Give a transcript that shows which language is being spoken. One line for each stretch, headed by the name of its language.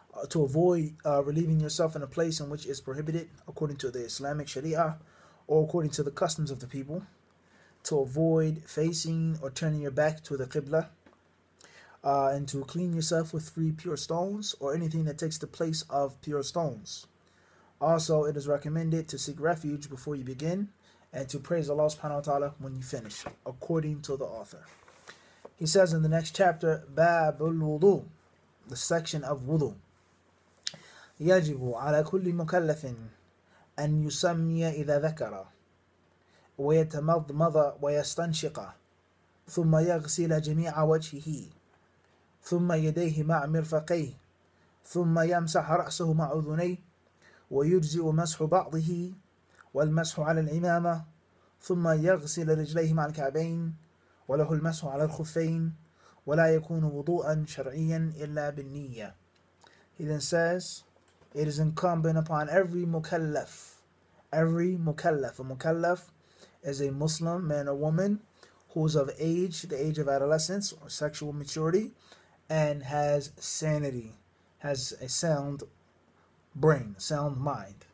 English: To avoid relieving yourself in a place in which is prohibited according to the Islamic Sharia or according to the customs of the people, to avoid facing or turning your back to the Qibla, and to clean yourself with three pure stones or anything that takes the place of pure stones. Also, it is recommended to seek refuge before you begin and to praise Allah
Arabic: subhanahu wa ta'ala
English: when you finish, according to the author. He says in the next chapter, Bab al-Wudu, the section of Wudu.
Arabic: يجب على كل مكلف أن يسمي إذا ذكر ويتمضمض ويستنشق ثم يغسل جميع وجهه ثم يديه مع مرفقيه ثم يمسح رأسه مع أذنيه ويجزئ مسح بعضه والمسح على العمامة ثم يغسل رجليه مع الكعبين وله المسح على الخفين ولا يكون وضوءا شرعيا إلا بالنية.
English: He then says, it is incumbent upon every mukallaf. Every mukallaf. A mukallaf is a Muslim man or woman who is of age, the age of adolescence or sexual maturity, and has sanity, has a sound brain, sound mind.